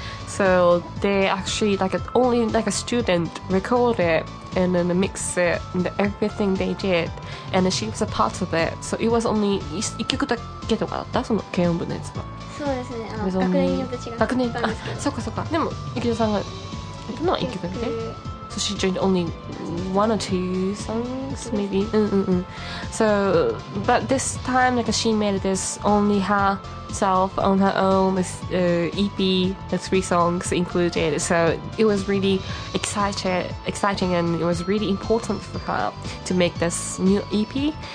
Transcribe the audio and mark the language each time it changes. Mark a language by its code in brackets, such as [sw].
[en] So they actually like only like a student recorded. And then the mix it and everything they did, and she was a part of it. So it was only [ja] 一曲だけとかだった？その軽音部のやつは。そうですね。学年によって違ったんですけど。学年、あ、そっかそっか。でも池田さんがやったのは一曲ね。 [en] So she joined only one or two songs, maybe. Mm-mm-mm. So, but this time, like, she made this only herself on her own EP, the three songs included. So it was really exciting, and it was really important for her to make this new EP.